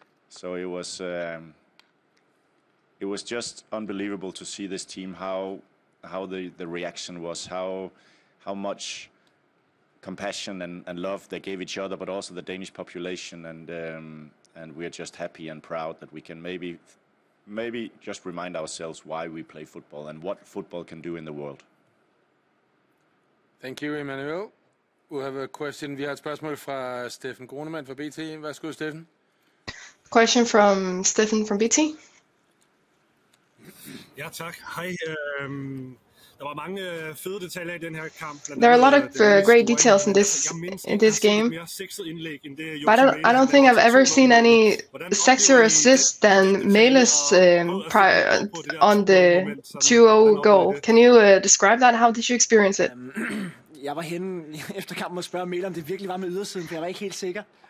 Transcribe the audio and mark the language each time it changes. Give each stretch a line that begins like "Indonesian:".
English: So it was just unbelievable to see this team, how the reaction was, how much compassion and love they gave each other, but also the Danish population. And And we are just happy and proud that we can maybe just remind ourselves why we play football and what football can do in the world. Thank you, Emmanuel. We have a question.
Danish: Vi har et spørgsmål fra Steffen Grunemann fra BT. Værsgo, Steffen.
English: Question from Steffen from BT.
Danish: Ja, tak. Hej. Der var mange fede detaljer i den her kamp.
English: There are a lot of great details in this game. But I don't think I've ever seen any sexier assist than Mæhle's on the 2-0 goal. Can you describe that? How did you experience it?
Danish: Jeg var henne efter kampen og spørge Mæhle, om det virkelig var med ydersiden, for jeg var ikke helt sikker.